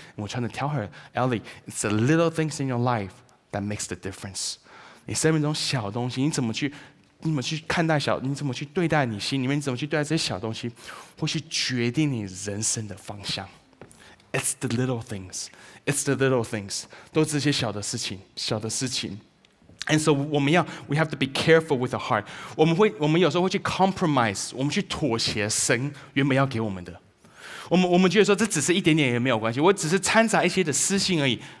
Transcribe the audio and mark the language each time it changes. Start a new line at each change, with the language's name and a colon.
Chinese: 我
English: trying to tell her， Ellie， it's the little things in your life that makes the difference。
Chinese: 你生命中小东西，你怎么去看待小，你怎么去对待你心里面，你怎么去对待这些小东西，会去决定你人生的方向。
English: It's the little things， it's the little things，
Chinese: 都是这些小的事情，小的事情。
English: And so we have to be careful with the heart.
Chinese: 我们有时候会去
English: compromise，
Chinese: 我们去妥协神原本要给我们的。我们觉得说这只是一点点也没有关系，我只是掺杂一些的私心而已。